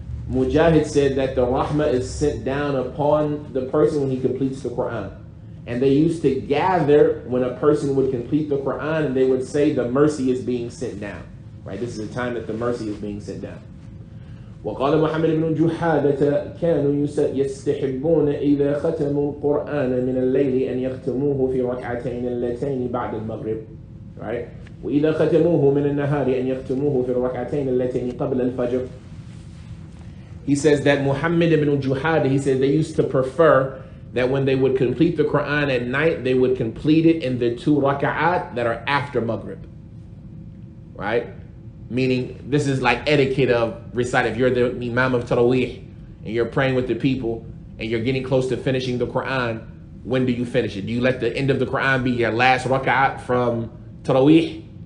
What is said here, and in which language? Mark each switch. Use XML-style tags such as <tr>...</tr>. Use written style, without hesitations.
<en>Mujahid said that the rahmah is sent down upon the person when he completes the Quran, and they used to gather when a person would complete the Quran, and they would say the mercy is being sent down. Right, this is the time that the mercy is being sent down.</en> <ar>وقال محمد بن جحادة كانوا يستحبون إذا ختموا القرآن من الليل أن يختموه في ركعتين اللتين بعد المغرب.</ar> <en>Right?</en> <ar>وإذا ختموه من النهار أن يختموه في ركعتين اللتين قبل الفجر.</ar> <en>He says that Muhammad ibn Juhada, he said they used to prefer that when they would complete the Quran at night, they would complete it in the two raka'at that are after Maghrib. Right? Meaning, this is like etiquette of recite. If you're the Imam of Taraweeh and you're praying with the people and you're getting close to finishing the Quran, when do you finish it? Do you let the end of the Quran be your last raka'at from Taraweeh?</en>